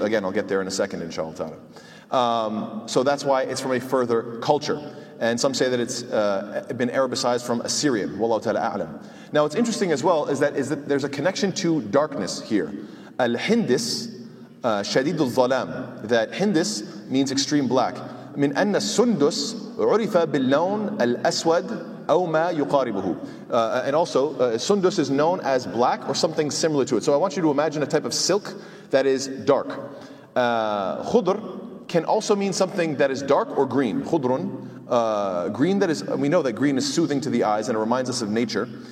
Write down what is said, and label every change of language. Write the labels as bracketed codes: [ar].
[en] Again, I'll get there in a second, inshallah ta'ala. So that's why it's from a further culture. And some say that it's been Arabicized from Assyrian, wallahu ta'ala a'lam. Now, what's interesting as well is that there's a connection to darkness here. Al-Hindis, Shadid al-Zalam, that Hindis means extreme black. [ar] من أن السندس عرف باللون الأسود أو ما يقاربه. [en] And also, sundus is known as black or something similar to it. So I want you to imagine a type of silk that is dark. خضر can also mean something that is dark or green. خضرٌ, green that is, we know that green is soothing to the eyes and it reminds us of nature.